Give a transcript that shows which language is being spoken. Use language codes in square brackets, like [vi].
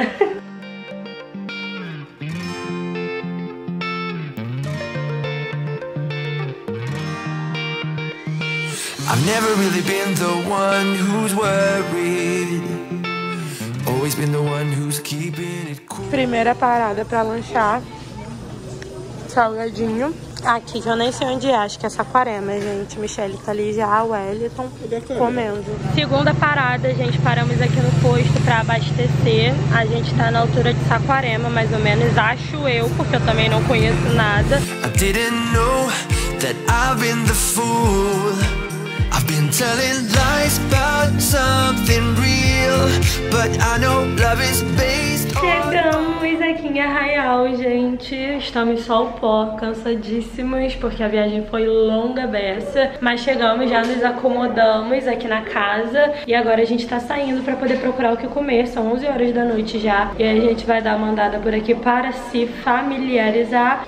[en] I've never really been the one who's worried. Always been the one who's keeping it cool. [pt] Primeira parada pra lanchar. Salgadinho. Aqui que eu nem sei onde é, acho que é Saquarema, gente. Michelle tá ali já, o Wellington, comendo. Segunda parada, gente, paramos aqui no posto pra abastecer. A gente tá na altura de Saquarema, mais ou menos, acho eu, porque eu também não conheço nada. [en] I didn't know that I've been the fool. I've been telling lies about something real. But I know love is based on... [pt] Chegamos aqui em Arraial, gente. Estamos só o pó, cansadíssimas, porque a viagem foi longa beça. Mas chegamos, já nos acomodamos aqui na casa. E agora a gente tá saindo pra poder procurar o que comer. São 11 horas da noite já. E aí a gente vai dar uma andada por aqui para se familiarizar.